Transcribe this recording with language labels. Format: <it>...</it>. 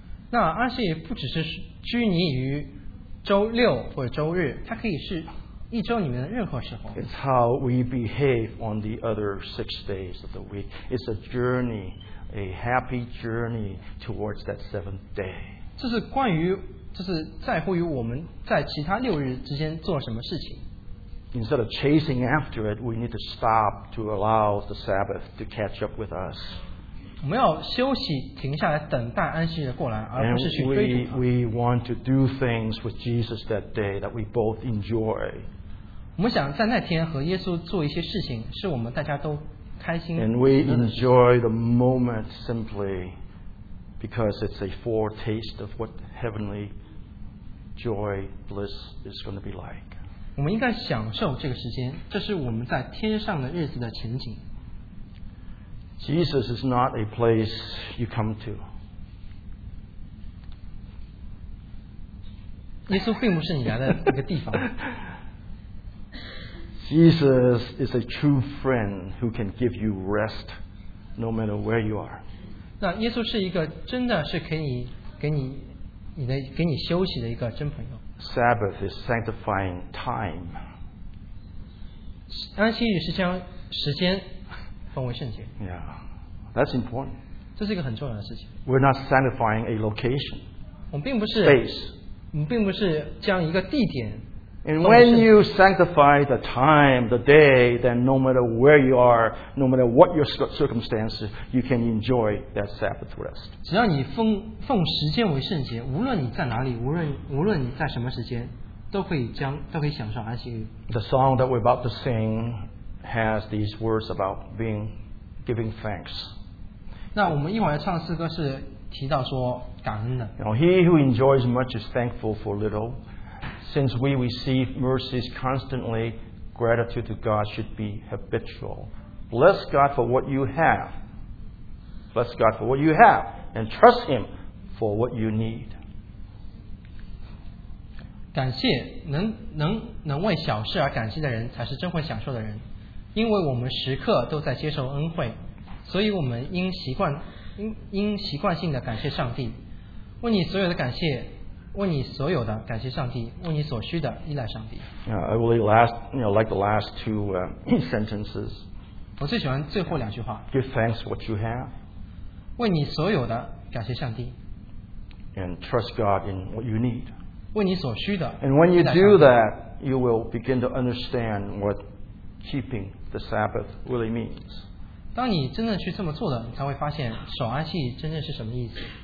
<zh>那安息日不只是拘泥于周六或者周日，它可以是一周里面的任何时候。</zh> <en>It's how we behave on the other six days of the week. It's a journey, a happy journey towards that seventh day.</en> <zh>这是关于，这是在乎于我们在其他六日之间做什么事情。</zh> <en>Instead of chasing after it, we need to stop to allow the Sabbath to catch up with us.</en> <zh>我们要休息，停下来，等待安息日过来，而不是去追逐它。</zh> <en>And we want to do things with Jesus that day that we both enjoy.</en> <zh>我们想在那天和耶稣做一些事情，是我们大家都开心。</zh> <en>And we enjoy the moment simply because it's a foretaste of what heavenly joy, bliss is going to be like.</en> <zh>我们应该享受这个时间，这是我们在天上的日子的前景。</zh> <en>Jesus is not a place you come to.</en> <zh>耶稣并不是你来的一个地方。</zh> <en>Jesus is a true friend who can give you rest, no matter where you are.</en> <zh>那耶稣是一个真的是可以给你休息的一个真朋友。</zh> <en>Sabbath is sanctifying time.</en> <zh>安息日是将时间奉为圣洁。</zh> <en>Yeah, that's important.</en> <zh>这是一个很重要的事情。</zh> <en>We're not sanctifying a location.</en> <zh>我们并不是</zh> <en>space.</en> <zh>我们并不是将一个地点。</zh> <en>And when you sanctify the time, the day, then no matter where you are, no matter what your circumstances, you can enjoy that Sabbath rest.</en> <zh>只要你奉时间为圣洁，无论你在哪里，无论你在什么时间，都可以享受安息日。</zh> <en>The song that we're about to sing has these words about giving thanks.</en> <zh>那我们一会儿唱诗歌是提到说感恩的。</zh> <en>You know, he who enjoys much is thankful for little. Since we receive mercies constantly, gratitude to God should be habitual. Bless God for what you have. Bless God for what you have, and trust Him for what you need.</en> <zh>感谢能为小事而感谢的人，才是真会享受的人。因为我们时刻都在接受恩惠，所以我们应习惯性的感谢上帝，为你所有的感谢，为你所有的感谢上帝，为你所需的依赖上帝。</zh> <en>I really last, you know, like the last two sentences.</en> <zh>我最喜欢最后两句话。</zh> <en>Give thanks what you have.</en> <zh>为你所有的感谢上帝。</zh> <en>And trust God in what you need.</en> <zh>为你所需的。</zh> <en>And when you do that, you will begin to understand what keeping the Sabbath really means.</en> <zh>当你真正去这么做了，你才会发现守安息真正是什么意思。</zh>